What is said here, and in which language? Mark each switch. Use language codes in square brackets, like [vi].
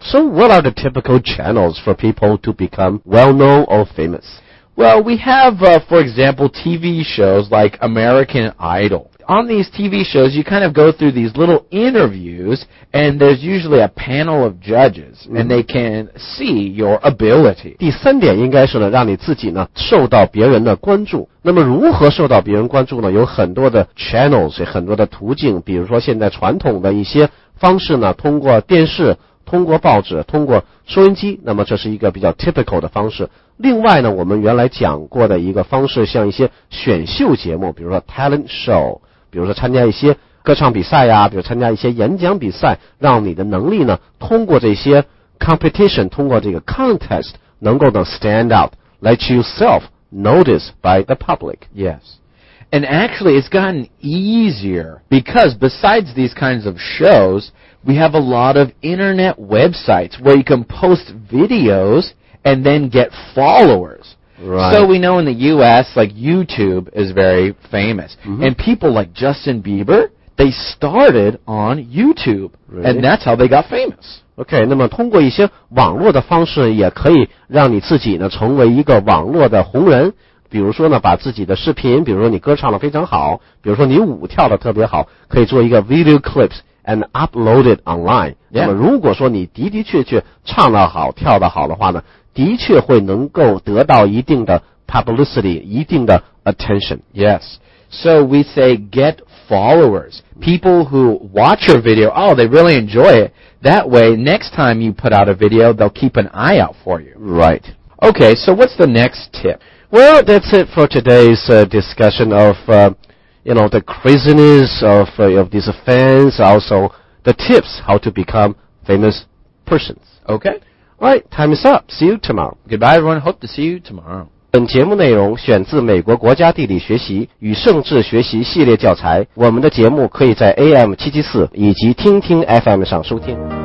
[en] So what are the typical channels for people to become well-known or famous? Well, we have, for example, TV shows like American Idol. On these TV shows, you kind of go through these little interviews, and there's usually a panel of judges, and they can see your ability. [zh] 第三点应该是呢，让你自己呢受到别人的关注。那么如何受到别人关注呢？有很多的 channels， 很多的途径，比如说现在传统的一些方式呢，通过电视、通过报纸、通过收音机，那么这是一个比较 typical 的方式。另外呢，我们原来讲过的一个方式，像一些选秀节目，比如说 talent show。比如说参加一些歌唱比赛啊，比如参加一些演讲比赛，让你的能力呢通过这些 competition， 通过这个 contest 能够呢 [en] stand out， let yourself notice by the public. Yes. And actually it's gotten easier because besides these kinds of shows, we have a lot of internet websites where you can post videos and then get followers. Right. So we know in the U.S., like YouTube is very famous. Mm-hmm. And people like Justin Bieber, they started on YouTube. Really? And that's how they got famous. [zh] Okay, 那么通过一些网络的方式也可以让你自己呢成为一个网络的红人。比如说呢把自己的视频，比如说你歌唱的非常好，比如说你舞跳的特别好，可以做一个 [en] video clips and upload it online. Yeah. [zh] 那么如果说你的的确确唱得好，跳得好的话呢，的确会能够得到一定的 publicity， 一定的 attention. [en] Yes. So we say get followers. People who watch your video, oh, they really enjoy it. That way, next time you put out a video, they'll keep an eye out for you. Right. Okay, so what's the next tip? Well, that's it for today's discussion of, you know, the craziness of these fans, also the tips how to become famous persons. Okay. Right, time is up. See you tomorrow. Goodbye, everyone. Hope to see you tomorrow. [zh] 本节目内容选自美国国家地理学习与政治学习系列教材。我们的节目可以在 AM 774以及听听 FM 上收听。